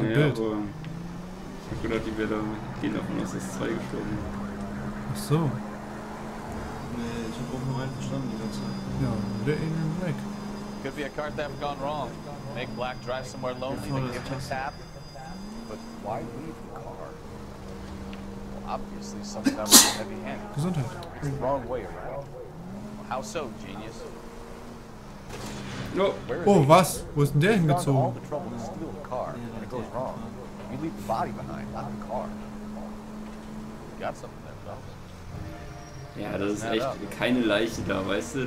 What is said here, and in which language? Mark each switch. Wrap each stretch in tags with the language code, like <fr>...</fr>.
<de>Ja, ich hab gedacht, die Bilder gehen davon aus, dass zwei gestorben sind. Ach so. Nee, ich hab auch nur einen verstanden die ganze Zeit. Ja, der Alien Black.</de> <en>Could be a car theft gone wrong. Make Black drive somewhere lonely to give him a tap. But why leave the car? Well, obviously, some of them are heavy handed.</en> <de>Gesundheit.</de> <en>It's the wrong way around. How so, genius? Oh,</en> <de>oh was? Wo ist denn der hingezogen?</de> <en>All the trouble to steal the car when it goes wrong. You leave the body behind, not the car. You got something there, though.</en> <de>Ja, das ist echt keine Leiche da, weißt du?</de>